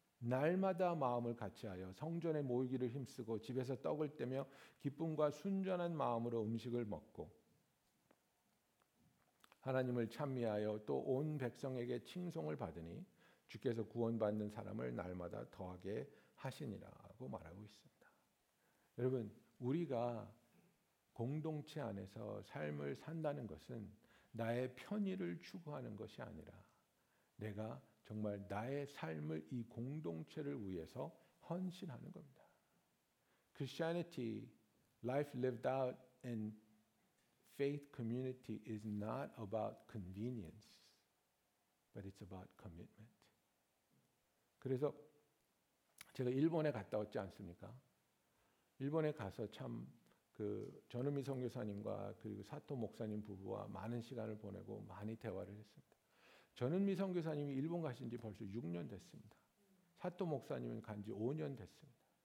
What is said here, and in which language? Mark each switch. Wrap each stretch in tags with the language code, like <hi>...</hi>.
<ko>날마다 마음을 같이하여 성전에 모이기를 힘쓰고 집에서 떡을 떼며 기쁨과 순전한 마음으로 음식을 먹고 하나님을 찬미하여 또 온 백성에게 칭송을 받으니 주께서 구원받는 사람을 날마다 더하게 하시니라고 말하고 있습니다. 여러분, 우리가 공동체 안에서 삶을 산다는 것은 나의 편의를 추구하는 것이 아니라 내가 정말 나의 삶을 이 공동체를 위해서 헌신하는 겁니다.</ko> <en>Christianity, life lived out in faith community is not about convenience, but it's about commitment.</en> <ko>그래서 제가 일본에 갔다 왔지 않습니까? 일본에 가서 참 그 전우미 선교사님과 그리고 사토 목사님 부부와 많은 시간을 보내고 많이 대화를 했습니다. 전은미 선교사님이 일본 가신 지 벌써 6년 됐습니다. 사토 목사님은 간 지 5년 됐습니다.</ko>